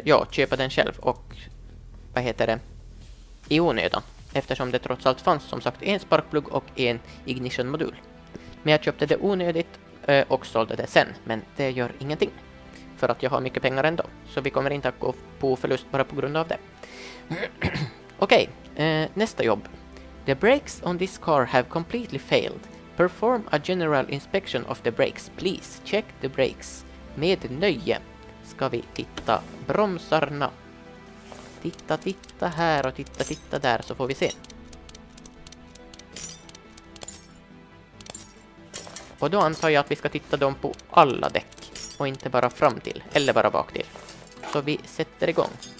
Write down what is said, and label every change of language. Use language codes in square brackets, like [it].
[sv] Köpa den själv och, vad heter det, i onödan. Eftersom det trots allt fanns, som sagt, en sparkplugg och en ignition-modul. Men jag köpte det onödigt och sålde det sen, men det gör ingenting. För att jag har mycket pengar ändå, så vi kommer inte att gå på förlust bara på grund av det. Okej, nästa jobb. [en] The brakes on this car have completely failed. Perform a general inspection of the brakes. Please check the brakes. [sv] Med nöje ska vi titta bromsarna. Titta, titta här och titta, titta där, så får vi se. Och då antar jag att vi ska titta dem på alla däck och inte bara fram till eller bara bak till. Så vi sätter igång.